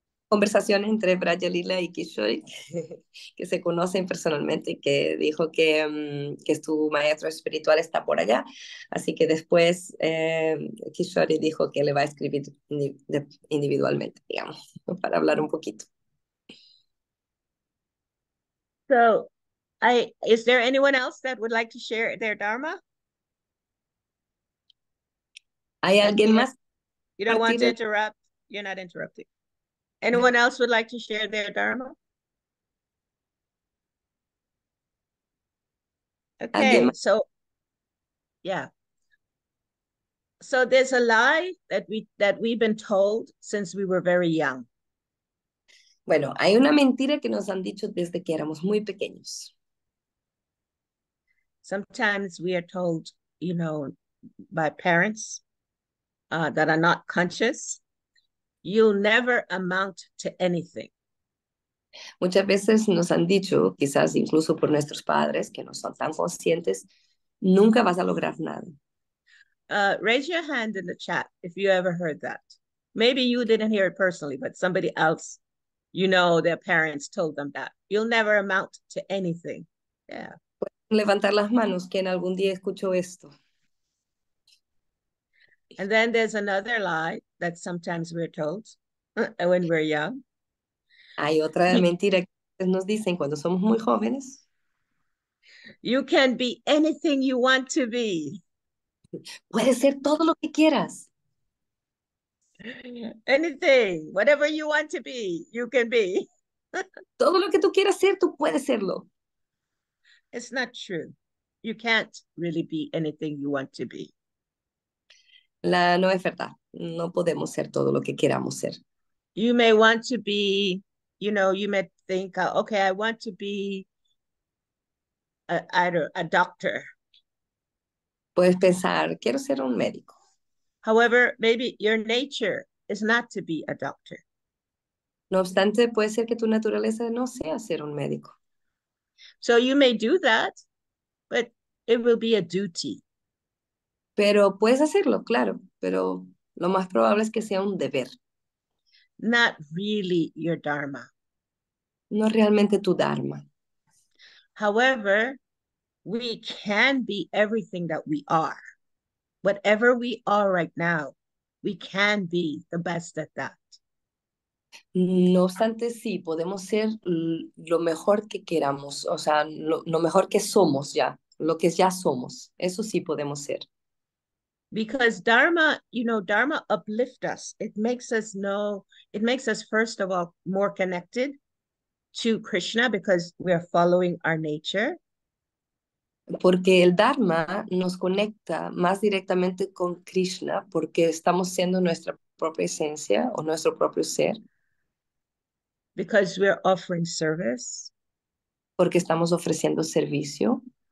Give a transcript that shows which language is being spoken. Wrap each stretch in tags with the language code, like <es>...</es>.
<es>Conversaciones entre Vrajalila y Kishori, que se conocen personalmente, que dijo que su maestro espiritual está por allá. Así que después Kishori dijo que le va a escribir individualmente, digamos, para hablar un poquito.</es> <en>So, is there anyone else that would like to share their Dharma?</en> <es>¿Hay alguien más?</es> <en>You don't want to interrupt. You're not interrupting. Anyone else would like to share their Dharma? Okay, so, yeah. So there's a lie that we've been told since we were very young.</en> <es>Bueno, hay una mentira que nos han dicho desde que éramos muy pequeños.</es> <en>Sometimes we are told, you know, by parents that are not conscious, you'll never amount to anything.</en> <es>Muchas veces nos han dicho, quizás incluso por nuestros padres, que no son tan conscientes, nunca vas a lograr nada.</es> <en>Raise your hand in the chat if you ever heard that. Maybe you didn't hear it personally, but somebody else, you know, their parents told them that. You'll never amount to anything. Yeah.</en> <es>Pueden levantar las manos quien algún día escuchó esto.</es> <en>And then there's another lie that sometimes we're told when we're young.</en> <es>Hay otra mentira que nos dicen cuando somos muy jóvenes.</es> <en>You can be anything you want to be.</en> <es>Puedes ser todo lo que quieras.</es> <en>Anything, whatever you want to be, you can be.</en> <es>Todo lo que tú quieras ser, tú puedes serlo.</es> <en>It's not true. You can't really be anything you want to be.</en> <es>No es verdad. No podemos ser todo lo que queramos ser.</es> <en>You may want to be, you know, you may think, okay, I want to be a doctor.</en> <es>Puedes pensar, quiero ser un médico.</es> <en>However, maybe your nature is not to be a doctor.</en> <es>No obstante, puede ser que tu naturaleza no sea ser un médico.</es> <en>So you may do that, but it will be a duty.</en> <es>Pero puedes hacerlo, claro, pero lo más probable es que sea un deber.</es> <en>Not really your dharma.</en> <es>No realmente tu dharma.</es> <en>However, we can be everything that we are. Whatever we are right now, we can be the best at that.</en> <es>No obstante, sí, podemos ser lo mejor que queramos, o sea, lo mejor que somos ya, lo que ya somos. Eso sí podemos ser.</es> <en>Because Dharma, you know, Dharma uplifts us. It makes us know, it makes us, first of all, more connected to Krishna because we are following our nature.</en> <es>Porque el Dharma nos conecta más directamente con Krishna porque estamos siendo nuestra propia esencia o nuestro propio ser.</es> <en>Because we are offering service.</en> <es>Porque estamos ofreciendo servicio.</es>